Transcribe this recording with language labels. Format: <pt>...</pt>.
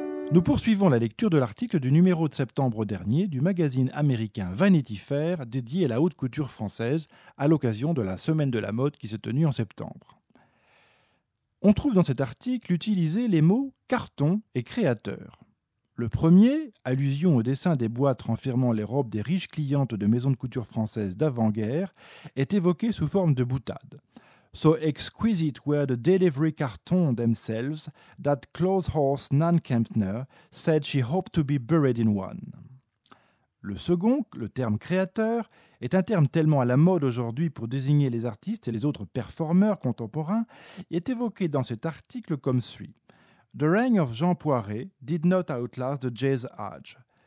<fr>Nous poursuivons la lecture de l'article du numéro de septembre dernier du magazine américain Vanity Fair dédié à la haute couture française à l'occasion de la Semaine de la mode qui s'est tenue en septembre. On trouve dans cet article utilisé les mots « carton » et « créateur ». Le premier, allusion au dessin des boîtes renfermant les robes des riches clientes de maisons de couture françaises d'avant-guerre, est évoqué sous forme de boutade.</fr> <en>So exquisite were the delivery cartons themselves that clothes horse Nan Kempner said she hoped to be buried in one.</en> <fr>Le second, le terme créateur, est un terme tellement à la mode aujourd'hui pour désigner les artistes et les autres performeurs contemporains, est évoqué dans cet article comme suit.</fr> <en>The reign of Jean Poiret did not outlast the jazz age.</en>